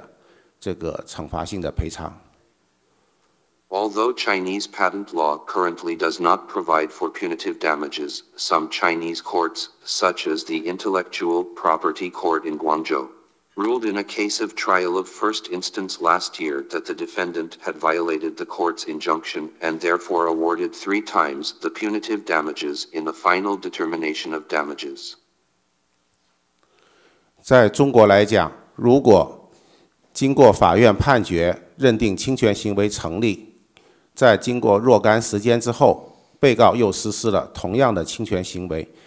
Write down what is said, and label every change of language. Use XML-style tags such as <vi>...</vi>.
<zh>虽然中国的专利法目前没有规定惩罚性赔偿，但是中国部分法院，例如广州的知识产权法院，在去年判决的一件一审案件中，认为被告违反了法庭的禁止令，所以在最终确定赔偿的时候呢，是给予了三倍的这个惩罚性的赔偿。</zh> <en>Although Chinese patent law currently does not provide for punitive damages, some Chinese courts, such as the Intellectual Property Court in Guangzhou, ruled in a case of trial of first instance last year that the defendant had violated the court's injunction and therefore awarded three times the punitive damages in the final determination of damages.</en> <zh>在中国来讲，如果经过法院判决认定侵权行为成立， 在经过若干时间之后，被告又实施了同样的侵权行为，</zh>